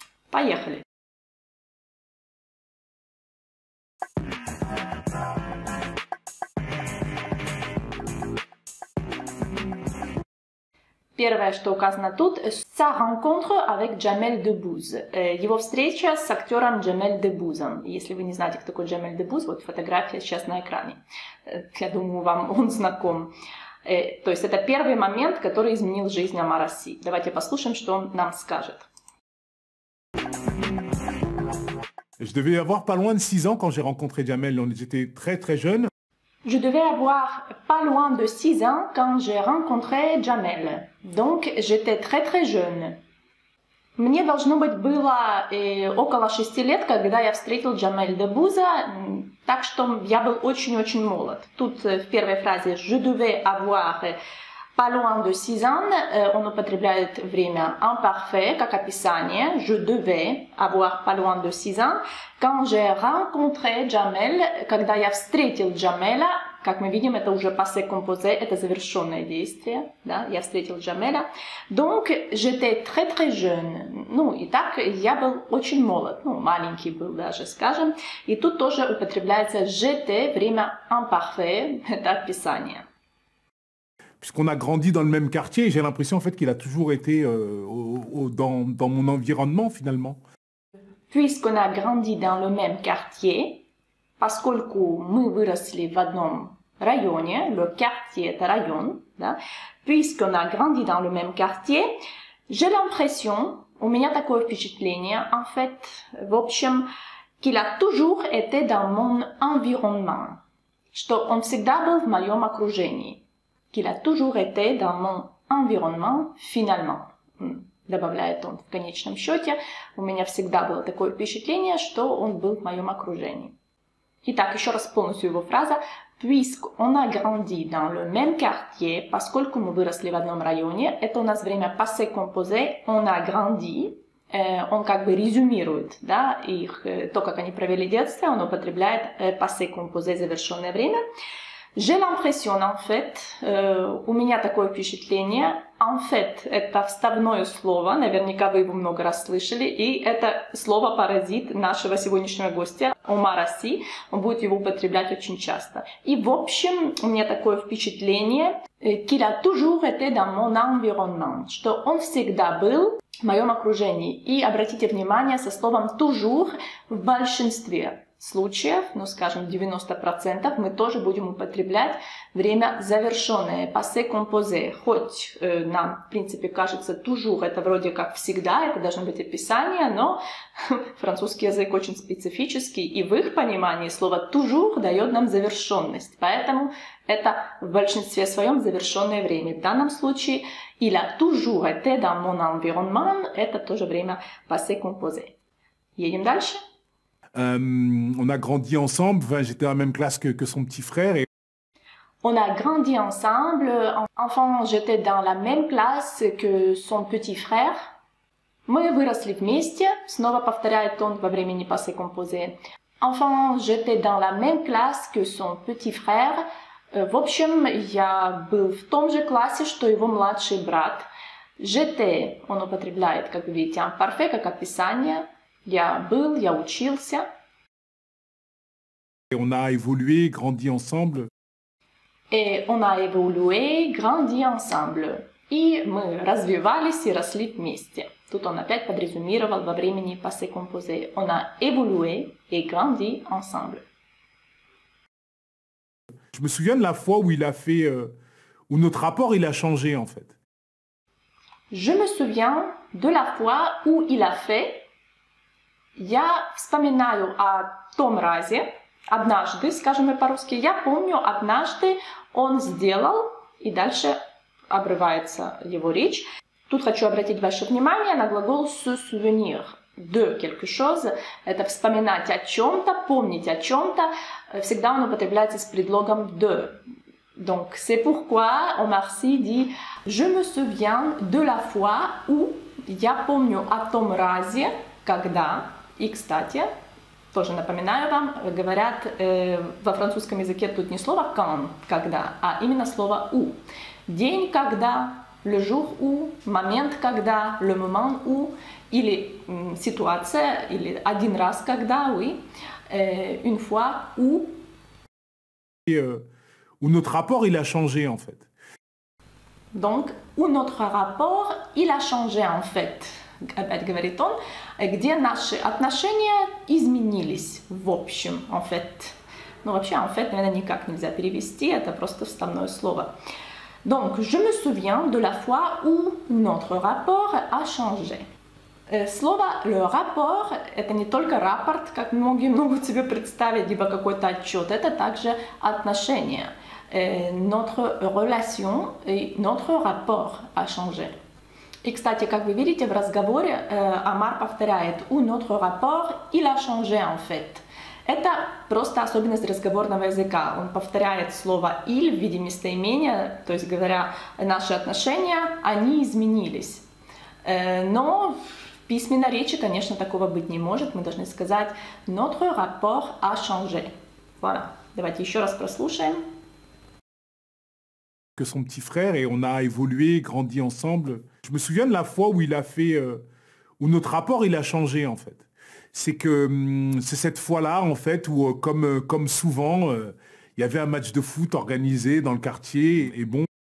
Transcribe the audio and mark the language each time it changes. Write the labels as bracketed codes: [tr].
[ru] Поехали. Первое, что указано тут, sa rencontre avec Jamel Debbouze. Его встреча с актером Джамель Дебузом. Если вы не знаете, кто такой Джамель Дебуз, вот фотография сейчас на экране. Я думаю, вам он знаком. То есть это первый момент, который изменил жизнь Омара Си. Давайте послушаем, что он нам скажет. [fr] Je devais avoir pas loin de 6 ans quand j'ai rencontré Jamel. On était très très jeunes. Je devais avoir pas loin de 6 ans quand j'ai rencontré Jamel. Donc, j'étais très très jeune. [ru] Мне должно быть было около 6 лет, когда я встретил Джамель Дебуза, так что я был очень-очень молод. Тут в первой фразе [fr] «je devais avoir pas loin de 6 ans» [ru] он употребляет время imparfait как описание «je devais avoir pas loin de 6 ans» [fr] quand j'ai rencontré Jamel, [ru] когда я встретил Джамеля, Как мы видим, это уже passé composé, это завершенное действие, да, я встретил Джамеля. [fr] Donc, j'étais très très jeune. [ru] Ну, и так, я был очень молод, ну, маленький был даже, скажем. И тут тоже употребляется j'étais, время imparfait, это описание. [fr] Puisqu'on a grandi dans le même quartier, j'ai l'impression en fait qu'il a toujours été dans mon environnement finalement. Puisqu'on a grandi dans le même quartier, [ru] поскольку мы выросли в одном районе, [fr] le quartier [ru] это район, да? [fr] Puisqu'on a grandi dans le même quartier, j'ai l'impression, [ru] у меня такое впечатление, [fr] en fait, [ru] в общем, [fr] qu'il a toujours été dans mon environnement, [ru] что он всегда был в моем окружении. [fr] Qu'il a toujours été dans mon environnement, finalement. Добавляет он в конечном счете. [ru] У меня всегда было такое впечатление, что он был в моем окружении. Итак, еще раз полностью его фраза. [fr] Puisqu'on a grandi dans le même quartier, [ru] поскольку мы выросли в одном районе, это у нас время passé composé, [fr] on a grandi. [ru] Он как бы резюмирует, да, их, то, как они провели детство, он употребляет passé composé, завершенное время. [fr] J'ai l'impression, en fait, [ru] у меня такое впечатление, en fait, это вставное слово, наверняка вы его много раз слышали, и это слово-паразит нашего сегодняшнего гостя, Омара Си, он будет его употреблять очень часто. И, в общем, у меня такое впечатление, [fr] qu'il a toujours été dans mon environnement, [ru] что он всегда был в моем окружении. И обратите внимание, со словом toujours в большинстве случаев, ну, скажем, 90%, мы тоже будем употреблять время завершенное, passé composé. Хоть нам, в принципе, кажется, toujours, это вроде как всегда, это должно быть описание, но французский язык очень специфический, и в их понимании слово toujours дает нам завершенность. Поэтому это в большинстве своем завершенное время. В данном случае, [fr] il a toujours été dans mon environnement, [ru] это тоже время passé composé. Едем дальше. [fr] On a grandi ensemble, enfin, j'étais en même classe que son petit frère. Et... On a grandi ensemble, enfin j'étais dans la même classe que son petit frère. [ru] Мы выросли вместе, снова повторяет он во времени passé composé. [fr] Enfin j'étais dans la même classe que son petit frère. [ru] В общем, я был в том же классе, что его младший брат. J'étais, он употребляет, как вы видите, un parfait, как описание. Я был, я учился. [fr] Et on a évolué, grandi ensemble. Et on a évolué, grandi ensemble. [ru] И мы развивались и росли вместе. Тут он опять подрезюмировал во времени passé composé. [fr] On a évolué et grandi ensemble. Je me souviens de la fois où il a fait où notre rapport il a changé en fait. Je me souviens de la fois où il a fait. [ru] Я вспоминаю о том разе, однажды, скажем по-русски, я помню, однажды он сделал, и дальше обрывается его речь. Тут хочу обратить ваше внимание на глагол «se souvenir», [fr] «de quelque chose», [ru] это вспоминать о чем-то, помнить о чем-то, всегда он употребляется с предлогом «de». [fr] Donc, c'est pourquoi Omar Sy dit «je me souviens de la fois où [ru] я помню о том разе, когда». И, кстати, тоже напоминаю вам, говорят во французском языке тут не слово «quand», «когда», а именно слово «у». День, когда, [fr] le jour où, [ru] момент, когда, [fr] le moment où, [ru] или ситуация, или один раз, когда, [fr] oui, une fois, où. Et, où notre rapport, il a changé, en fait. Donc, où notre rapport, il a changé, en fait. [ru] Опять говорит он, где наши отношения изменились, в общем, en fait. Ну, вообще, en fait, наверное, никак нельзя перевести, это просто вставное слово. [fr] Donc, je me souviens de la fois où notre rapport a changé. [ru] Слово «le rapport» — это не только «rapport», как многие могут себе представить, либо какой-то отчет, это также отношения. [fr] Notre relation et notre rapport a changé. [ru] И, кстати, как вы видите, в разговоре Омар повторяет «у [fr] notre rapport il a changé, en fait». [ru] Это просто особенность разговорного языка. Он повторяет слово «иль» в виде местоимения, то есть говоря «наши отношения, они изменились». Но в письменной речи, конечно, такого быть не может. Мы должны сказать [fr] «notre rapport a changé». Voilà. [ru] Давайте еще раз прослушаем. [fr] que son petit frère et on a évolué, grandi ensemble. Je me souviens de la fois où il a fait, où notre rapport il a changé en fait. C'est que c'est cette fois-là en fait où comme souvent, il y avait un match de foot organisé dans le quartier et bon.